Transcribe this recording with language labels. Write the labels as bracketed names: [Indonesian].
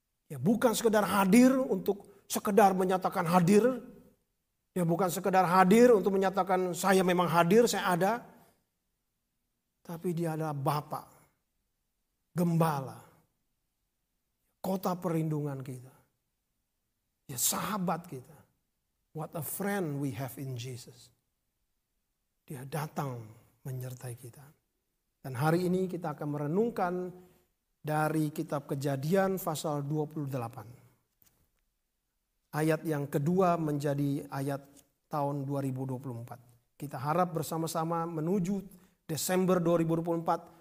[Indonesian] Ya, bukan sekedar hadir untuk sekedar menyatakan hadir. Ya, bukan sekedar hadir untuk menyatakan saya memang hadir, saya ada. Tapi dia adalah Bapa, Gembala, kota perlindungan kita. Ya, sahabat kita. [English] What a friend we have in Jesus. [Indonesian] Dia datang menyertai kita. Dan hari ini kita akan merenungkan dari kitab Kejadian pasal 28. Ayat yang kedua menjadi ayat tahun 2024. Kita harap bersama-sama menuju Desember 2024.